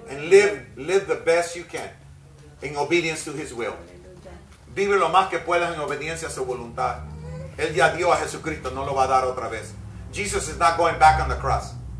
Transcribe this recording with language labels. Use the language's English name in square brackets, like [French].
[English] And live the best you can in obedience to His will. [Spanish] Vive lo más que puedas en obediencia a su voluntad. Él ya dio a Jesucristo, no lo va a dar otra vez. [English] Jesus is not going back on the cross.